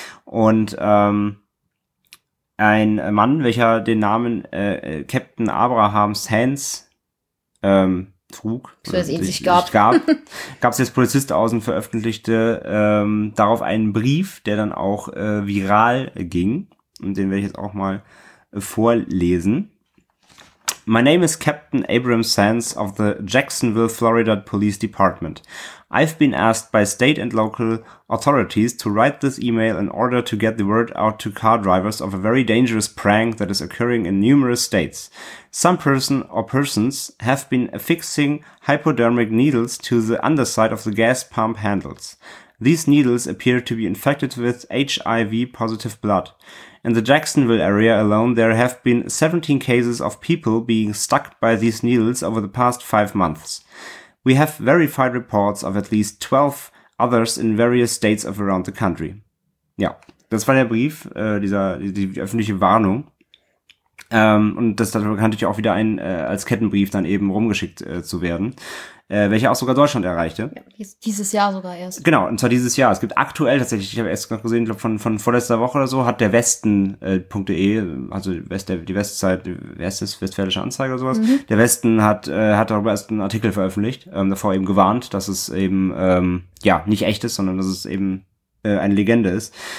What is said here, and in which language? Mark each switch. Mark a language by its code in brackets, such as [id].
[de] Und ein Mann, welcher den Namen Captain Abraham Sands trug, gab es jetzt Polizist aus und veröffentlichte darauf einen Brief, der dann auch viral ging. Und den werde ich jetzt auch mal vorlesen. [en] My name is Captain Abraham Sands of the Jacksonville, Florida Police Department. I've been asked by state and local authorities to write this email in order to get the word out to car drivers of a very dangerous prank that is occurring in numerous states. Some person or persons have been affixing hypodermic needles to the underside of the gas pump handles. These needles appear to be infected with HIV-positive blood. In the Jacksonville area alone, there have been 17 cases of people being stuck by these needles over the past 5 months. We have verified reports of at least 12 others in various states of around the country. [de] Ja, das war der Brief, die öffentliche Warnung. Und das hat bekanntlich auch wieder ein als Kettenbrief dann eben rumgeschickt zu werden, welcher auch sogar Deutschland erreichte. Ja, dieses Jahr sogar erst. Genau, und zwar dieses Jahr. Es gibt aktuell tatsächlich, ich habe erst gerade gesehen, glaube von vorletzter Woche oder so, hat der Westen.de, also Westfälische Anzeige oder sowas, der Westen hat darüber erst einen Artikel veröffentlicht, davor eben gewarnt, dass es eben nicht echt ist, sondern dass es eben eine Legende ist.